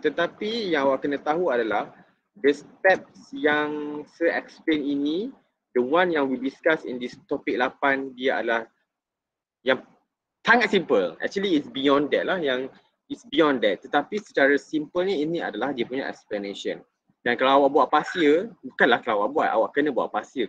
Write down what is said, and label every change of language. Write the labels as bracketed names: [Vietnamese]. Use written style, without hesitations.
[Malay] Tetapi yang awak kena tahu adalah [English] the steps [Malay] yang saya explain ini, [English] the one [Malay] yang [English] we discuss in this topic 8, [Malay] dia adalah yang sangat simple. [English] Actually it's beyond that lah, yang it's beyond that. [Malay] Tetapi secara simplenya ini adalah dia punya explanation. Dan kalau awak buat pasir, bukanlah kalau awak buat, awak kena buat pasir.